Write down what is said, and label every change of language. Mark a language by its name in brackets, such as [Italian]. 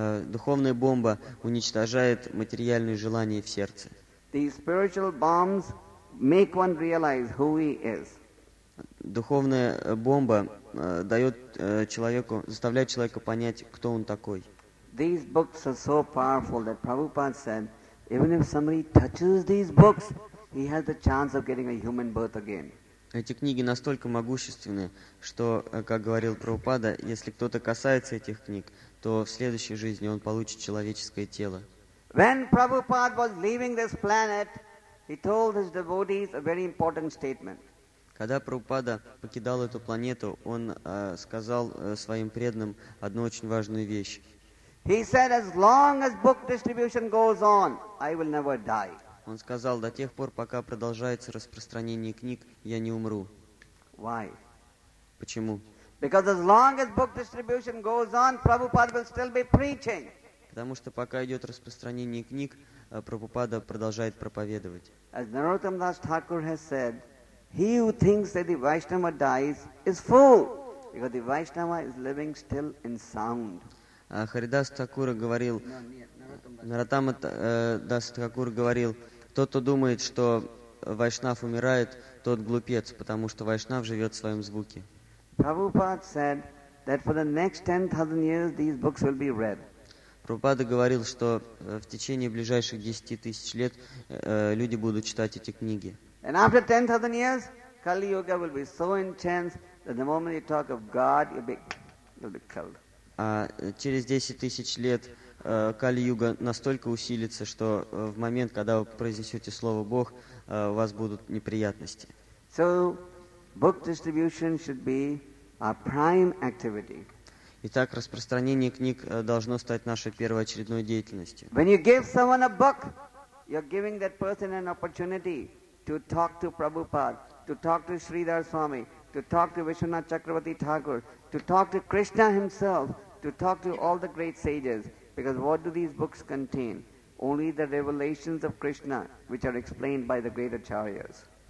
[Russian] Духовная бомба уничтожает материальные желания в сердце. [English] The spiritual bombs make one realize who he is. [Russian] Духовная бомба дает человеку, заставляет человека понять, кто он такой. [English] These books are so powerful that Prabhupada said, even if somebody touches these books, he has the chance of getting a human birth again. [Russian] Эти книги настолько могущественны, что, как говорил Прабхупада, если кто-то касается этих книг, то в следующей жизни он получит человеческое тело. [English] When Prabhupada was leaving this planet, he told his devotees a very important statement. [Russian] Когда Прабхупада покидал эту планету, он сказал своим преданным одну очень важную вещь. [English] He said, as long as book distribution goes on, I will never die. [Russian] Он сказал: до тех пор, пока продолжается распространение книг, я не умру. [English] Why? [Russian] Почему? [English] Because as long as book distribution goes on, Prabhupada will still be preaching. [Russian] Потому что пока идет распространение книг, Прабхупада продолжает проповедовать. [English] As Narottam Das Thakur has said, he who thinks that the Vaishnava dies is fool, because the Vaishnava is living still in sound. [Russian] Харидас Такура говорил, Наратама Дас Такур говорил, тот, кто думает, что Вайшнав умирает, тот глупец, потому что Вайшнав живет в своем звуке. [English] Prabhupada said that for the next 10,000 years these books will be read. [Russian] Прабхупада говорил, что в течение ближайших 10 тысяч лет люди будут читать эти книги. [English] And after 10,000 years, Kali Yuga will be so intense that the moment you talk of God, you'll be killed. [Russian] А через 10 тысяч лет Кали-Юга настолько усилится, что в момент, когда вы произнесете слово «Бог», у вас будут неприятности. [English] So, book distribution should be our prime activity. [Russian] Итак, распространение книг должно стать нашей первоочередной деятельностью. [English] When you give someone a book, you're giving that person an opportunity to talk to Prabhupada, to talk to Sridhar Swami, to talk to Vishwanath Chakravarti Thakur, to talk to Krishna himself, to talk to all the great sages. Because what do these books contain? Only the revelations of Krishna, which are explained by the great acharyas.